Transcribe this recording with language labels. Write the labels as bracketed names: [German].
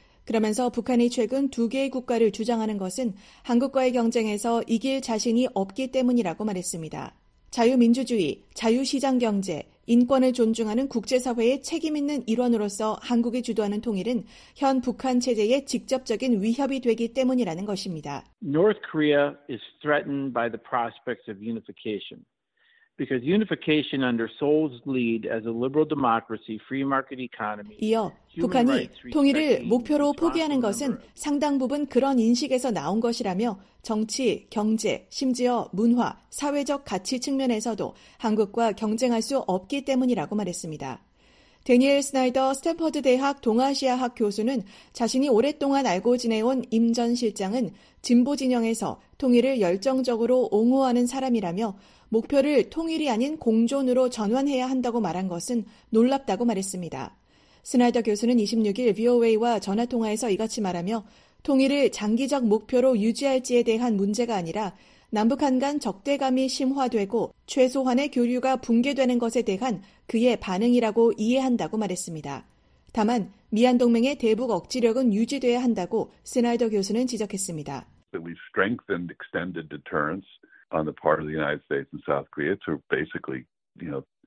[Korean] 그러면서 북한이 최근 두 개의 국가를 주장하는 것은 한국과의 경쟁에서 이길 자신이 없기 때문이라고 말했습니다. 자유민주주의, 자유시장경제, 인권을 존중하는 국제사회의 책임 있는 일원으로서 한국이 주도하는 통일은 현 북한 체제에 직접적인 위협이 되기 때문이라는 것입니다. [English] North Korea is threatened by the prospect of unification. Because unification under Seoul's lead as a liberal democracy, free market economy. [Korean] 이어 북한이 통일을 목표로 포기하는 것은 상당 부분 그런 인식에서 나온 것이라며 정치, 경제, 심지어 문화, 사회적 가치 측면에서도 한국과 경쟁할 수 없기 때문이라고 말했습니다. 대니엘 스나이더 스탠퍼드 대학 동아시아학 교수는 자신이 오랫동안 알고 지내온 임 전 실장은 진보 진영에서 통일을 열정적으로 옹호하는 사람이라며 목표를 통일이 아닌 공존으로 전환해야 한다고 말한 것은 놀랍다고 말했습니다. 스나이더 교수는 26일 VOA와 전화통화에서 이같이 말하며 통일을 장기적 목표로 유지할지에 대한 문제가 아니라 남북한 간 적대감이 심화되고 최소한의 교류가 붕괴되는 것에 대한 그의 반응이라고 이해한다고 말했습니다. 다만 미한동맹의 대북 억지력은 유지돼야 한다고 스나이더 교수는 지적했습니다. [English] We've strengthened extended deterrence on the part of the United States and South Korea to basically, you know,